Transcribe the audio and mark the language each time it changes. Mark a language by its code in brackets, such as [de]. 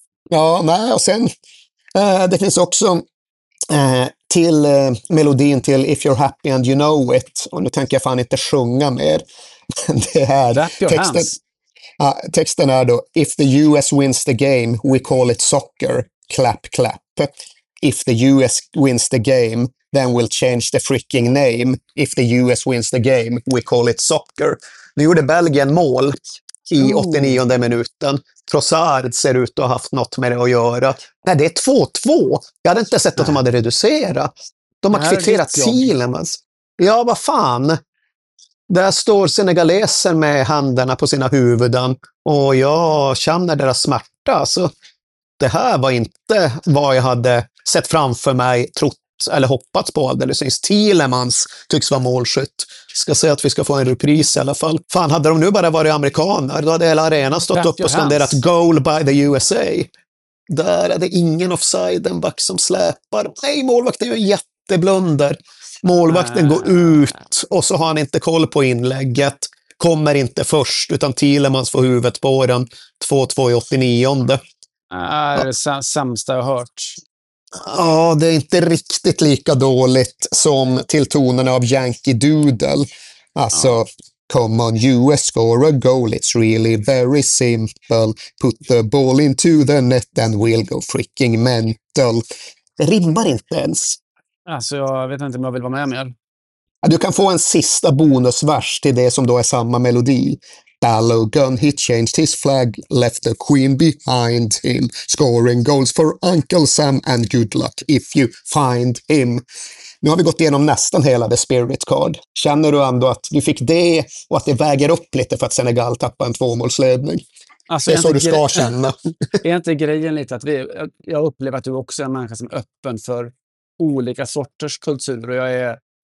[sv] Ja, nej, och sen... det finns också... till melodin till If You're Happy and You Know It, och nu tänker jag fan inte sjunga mer. Det här texten, texten är då: [en] If the US wins the game, we call it soccer, clap clap. If the US wins the game, then we'll change the freaking name. If the US wins the game, we call it soccer. [sv] Nu gjorde Belgien mål i 89:e minuten. Trossard ser ut att ha haft något med det att göra. Nej, det är 2-2. Jag hade inte sett att de hade reducerat. De har kvitterat Tielemans. Ja, vad fan. Där står senegaleser med händerna på sina huvuden. Och jag känner deras smärta. Så det här var inte vad jag hade sett framför mig, trott eller hoppats på alldeles nyss. Tielemans tycks vara målskytt. Ska säga att vi ska få en repris i alla fall. Fan, hade de nu bara varit amerikaner, då hade hela arenan stått upp och skanderat [en] goal by the USA. [sv] Där är det ingen offside, en back som släpar. Nej, målvakten gör jätteblunder. Målvakten går ut och så har han inte koll på inlägget. Kommer inte först, utan Tielemans får huvudet på den. 2-2 i 89:e. Det är det sämsta jag hört. Ja, det är inte riktigt lika dåligt som till tonerna av Yankee Doodle. Alltså, ja. [en] Come on, US, score a goal, it's really very simple. Put the ball into the net and we'll go freaking mental. [sv] Det rimmar inte ens. Alltså, jag vet inte om jag vill vara med mer. Du kan få en sista bonusvers till det som då är samma melodi. [en] Balogun, he changed his flag, left the queen behind him, scoring goals for Uncle Sam and good luck if you find him. [sv] Nu har vi gått igenom nästan hela The Spirit Card. Känner du ändå att du fick det och att det väger upp lite för att Senegal tappar en tvåmålsledning? Alltså, det är så du ska känna. Är inte grejen lite att jag upplever att du också är en människa som är öppen för olika sorters kulturer, och jag är